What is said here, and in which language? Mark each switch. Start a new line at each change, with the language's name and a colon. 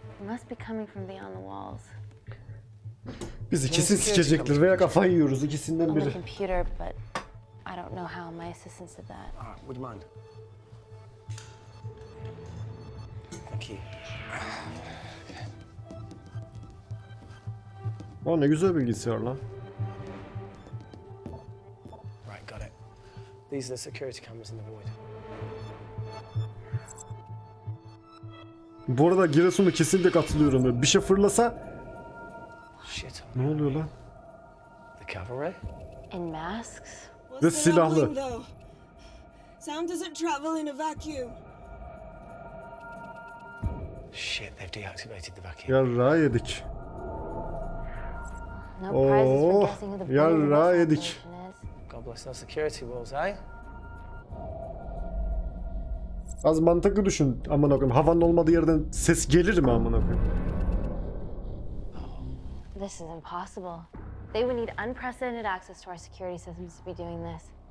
English: Must be coming from beyond the walls.
Turkish: Biz ikisini sikecektir veya kafayı yiyoruz ikisinden biri.
English: On the computer, but I don't know how my assistants did that. Would you mind? Okay.
Turkish: Vay ne güzel bilgisayar lan.
English: Right, got it. These are the security cameras in the void.
Turkish: Bu arada Giresun'a kesinlikle katılıyorum. Bir şey fırlasa
English: shit,
Turkish: ne oluyor lan?
English: The cavalry in masks.
Turkish: Ve silahlı.
English: Sound doesn't travel in a vacuum. Shit, they've deactivated the vacuum.
Turkish: Yarra yedik.
English: No prizes for guessing the
Turkish: yarra yedik.
English: God bless our security walls, hey?
Turkish: Az mantıklı düşün amına koyayım. Havanın olmadığı yerden ses gelir mi amına koyayım?
English: This is impossible. They would need unprecedented access to our security systems to be doing this.